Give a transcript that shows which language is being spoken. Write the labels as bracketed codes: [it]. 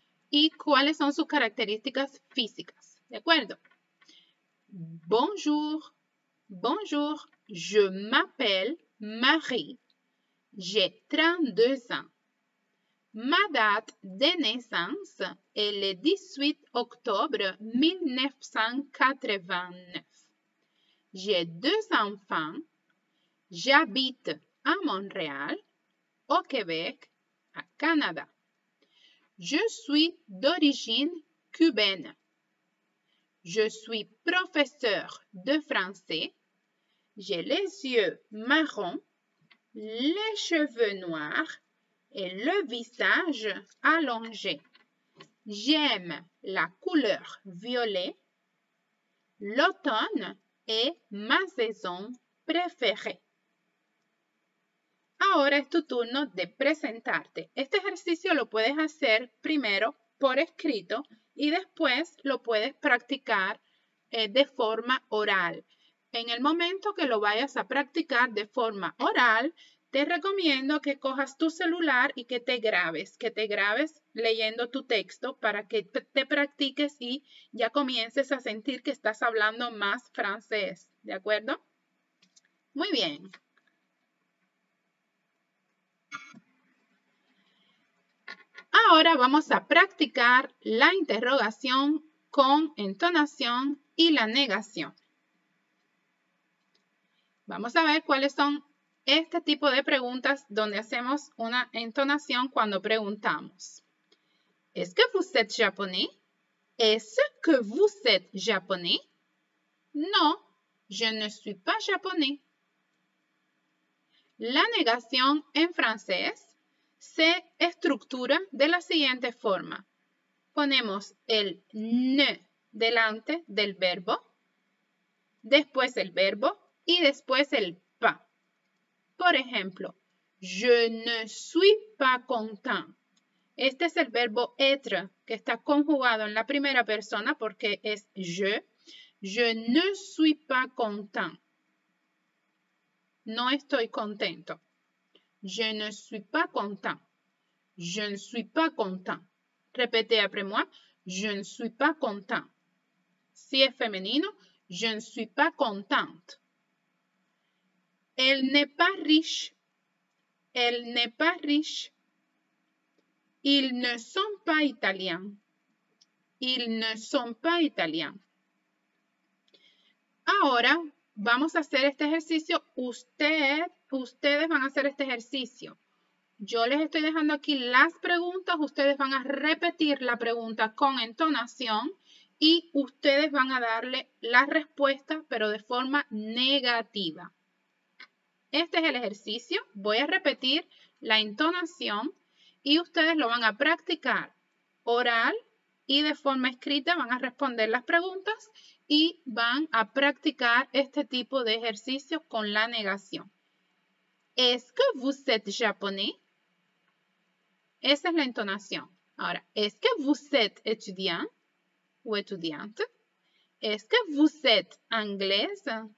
[es] ¿Y cuáles son sus características físicas? ¿De acuerdo? [fr] Bonjour, bonjour, je m'appelle Marie, j'ai 32 ans. Ma date de naissance est le 18 octobre 1989. J'ai deux enfants, j'habite à Montréal, au Québec, au Canada. Je suis d'origine cubaine. Je suis professeur de français. J'ai les yeux marrons, les cheveux noirs et le visage allongé. J'aime la couleur violet. L'automne est ma saison préférée. [es] Ahora es tu turno de presentarte. Este ejercicio lo puedes hacer primero por escrito y después lo puedes practicar de forma oral. En el momento que lo vayas a practicar de forma oral, te recomiendo que cojas tu celular y que te grabes leyendo tu texto para que te practiques y ya comiences a sentir que estás hablando más francés, ¿de acuerdo? Muy bien. Ahora vamos a practicar la interrogación con entonación y la negación. Vamos a ver cuáles son este tipo de preguntas donde hacemos una entonación cuando preguntamos. [fr] ¿Es que vous êtes japonais? ¿Es que vous êtes japonais? No, je ne suis pas japonais. [es] La negación en francés se estructura de la siguiente forma. Ponemos el ne delante del verbo, después el verbo y después el pas. Por ejemplo, [fr] je ne suis pas content. [es] Este es el verbo être que está conjugado en la primera persona porque es je. [fr] Je ne suis pas content. [es] No estoy contento. [fr] Je ne suis pas content. Je ne suis pas content. Répétez après moi. Je ne suis pas content. [es] Si es femenino, [fr] je ne suis pas contente. Elle n'est pas riche. Elle n'est pas riche. Ils ne sont pas italiens. Ils ne sont pas italiens. [es] Ahora vamos a hacer este ejercicio. Ustedes van a hacer este ejercicio. Yo les estoy dejando aquí las preguntas. Ustedes van a repetir la pregunta con entonación y ustedes van a darle la respuesta, pero de forma negativa. Este es el ejercicio. Voy a repetir la entonación y ustedes lo van a practicar oral y de forma escrita. Van a responder las preguntas y van a practicar este tipo de ejercicio con la negación. [fr] ¿Es que vous êtes japonais? [es] Esa es la entonación. Ahora, [fr] ¿es que vous êtes étudiant? [es] o estudiante. [fr] ¿Es que vous êtes anglaise?